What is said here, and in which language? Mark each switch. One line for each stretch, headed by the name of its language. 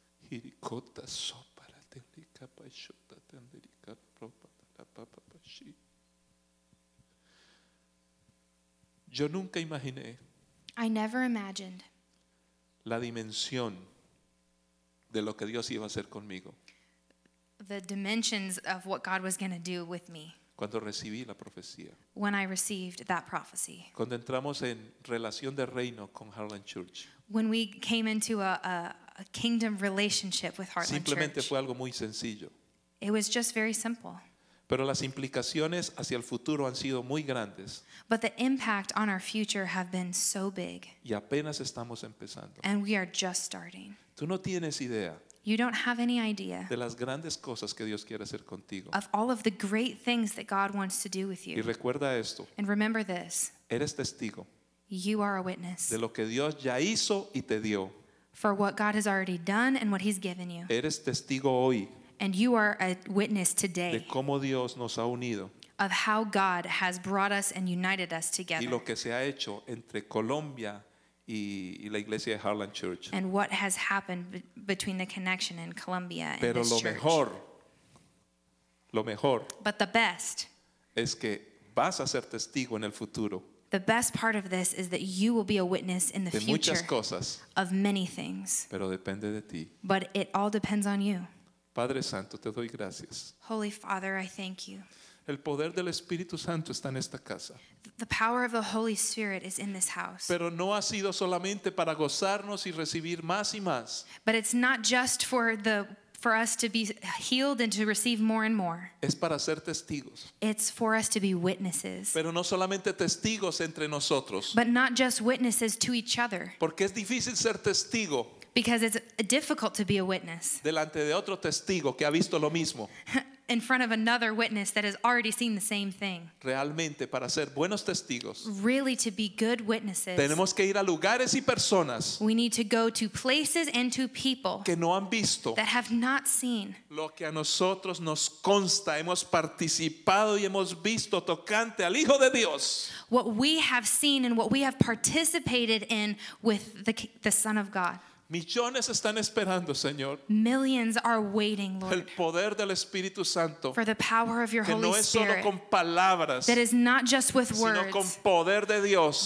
Spanish: Hiricota sopa la tendrica pachota tendrica propa la papa pachia. Yo nunca imaginé.
English: I never imagined.
Spanish: La dimensión de lo que Dios iba a hacer conmigo.
English: The dimensions of what God was going to do with me.
Spanish: Cuando recibí la profecía.
English: When I received that prophecy.
Spanish: Cuando entramos en relación de reino con Harlan Church.
English: When we came into a kingdom relationship with Harlan
Spanish: Simplemente
English: Church.
Spanish: Fue algo muy sencillo.
English: It was just very simple.
Spanish: Pero las implicaciones hacia el futuro han sido muy grandes.
English: But the impact on our future have been so big.
Spanish: Y apenas estamos empezando.
English: And we are just starting.
Spanish: Tú no tienes idea.
English: You don't have any idea.
Spanish: De las grandes cosas que Dios quiere hacer contigo.
English: Of all of the great things that God wants to do with you.
Spanish: Y recuerda esto.
English: And remember this.
Spanish: Eres testigo.
English: You are a witness.
Spanish: De lo que Dios ya hizo y te dio.
English: For what God has already done and what he's given you.
Spanish: Eres testigo hoy.
English: And you are a witness today
Spanish: de cómo Dios nos ha unido.
English: Of how God has brought us and united us together.
Spanish: Y lo que se ha hecho entre Colombia y la iglesia de Harlan Church.
English: And what has happened between the connection in Colombia and
Spanish: Pero
English: this
Spanish: lo
English: church.
Spanish: Mejor, lo mejor
English: But the best
Spanish: es que vas a ser testigo en el futuro.
English: The best part of this is that you will be a witness in the
Spanish: de
English: future
Spanish: muchas cosas,
English: of many things.
Spanish: Pero depende de ti.
English: But it all depends on you.
Spanish: Padre Santo, te doy gracias.
English: Holy Father, I thank you.
Spanish: El poder del Espíritu Santo está en esta casa.
English: The power of the Holy Spirit is in this house.
Spanish: Pero no ha sido solamente para gozarnos y recibir más y más.
English: But it's not just for us to be healed and to receive more and more.
Spanish: Es para ser testigos.
English: It's for us to be witnesses.
Spanish: Pero no solamente testigos entre nosotros.
English: But not just witnesses to each other.
Spanish: Porque es difícil ser testigo.
English: Because it's difficult to be a witness.
Spanish: Delante de otro testigo que ha visto lo mismo.
English: In front of another witness that has already seen the same thing.
Spanish: Realmente para ser buenos testigos.
English: Really to be good witnesses.
Spanish: Tenemos que ir a lugares y personas.
English: We need to go to places and to people.
Spanish: Que no han visto.
English: That have not seen.
Spanish: Lo que a nosotros nos consta, hemos participado y hemos visto tocante al Hijo de Dios.
English: What we have seen and what we have participated in with the Son of God.
Spanish: Millones están esperando, Señor.
English: Millions are waiting, Lord.
Spanish: El poder del Espíritu Santo.
English: For the power of your Holy Spirit.
Spanish: Que no es solo con palabras.
English: That is not just with words.
Spanish: Sino con poder de Dios.